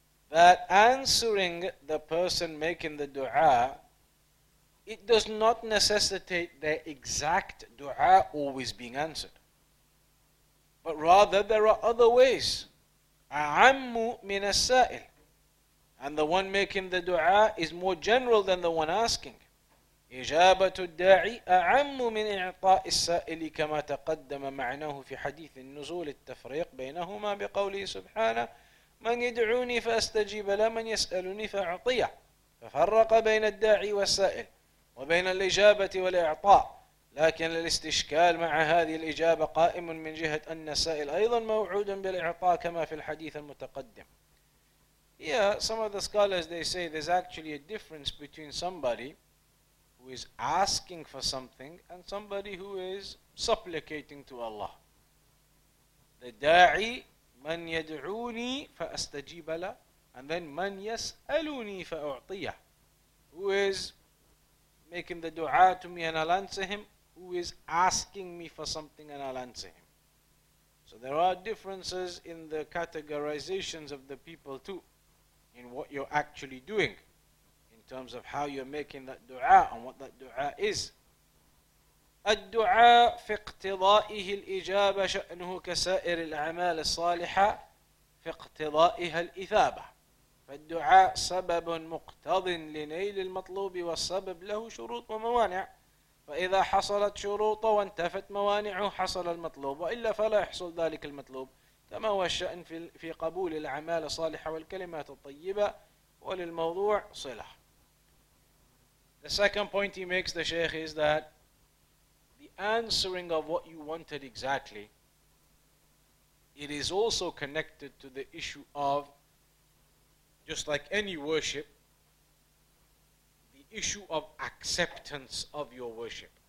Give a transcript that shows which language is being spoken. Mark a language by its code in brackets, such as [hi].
[en] That answering the person making the dua, it does not necessitate their exact dua always being answered. But rather, there are other ways. [ar] أَعَمُّ مِنَ السَّائِلِ. [en] And the one making the dua is more general than the one asking. [ar] إِجَابَةُ الدَّاعِي أَعَمُّ مِنْ إِعْطَاءِ السَّائِلِ كَمَا تَقَدَّمَ مَعْنَاهُ فِي حَدِيثِ النُّزُولِ التَّفْرِيقِ بَيْنَهُمَا بِقَوْلِهِ سُبْحَانَ مَنْ يَدْعُونِي فَأَسْتَجِيبَ لَا مَنْ يَسْأَلُنِي فَأَعْطِيَ فَفَرَّقَ بَيْنَ الدَّاعِي وَالسَّائِلِ وَبَيْنَ الْإِجَابَةِ وَالْإِعْطَاءِ لكن الاستشكال مع هذه الإجابة قائم من جهة أن السائل أيضا موعود بالإعطاء كما في الحديث المتقدم. [en] Yeah, some of the scholars, they say there's actually a difference between somebody who is asking for something and somebody who is supplicating to Allah. The da'i, [ar] من يدعوني فأستجيب له, [en] and then [ar] من يسألوني فأعطيه, [en] who is making the dua to me and I'll answer him, who is asking me for something and I'll answer him. So there are differences in the categorizations of the people too, in what you're actually doing, in terms of how you're making that dua and what that dua is. [ar] الدعاء في اقتضائه الإجابة شأنه كسائر الأعمال الصالحة في اقتضائها الإثابة. فالدعاء سبب مقتض لنيل المطلوب والسبب له شروط وموانع. فإذا حصلت شروطه وانتفت موانعه حصل المطلوب وإلا فلا يحصل ذلك المطلوب كما هو الشأن في قبول الأعمال الصالحة والكلمات الطيبة وللموضوع صلة. [en] The second point he makes, the Sheikh, is that the answering of what you wanted exactly, it is also connected to the issue of, just like any worship, issue of acceptance of your worship.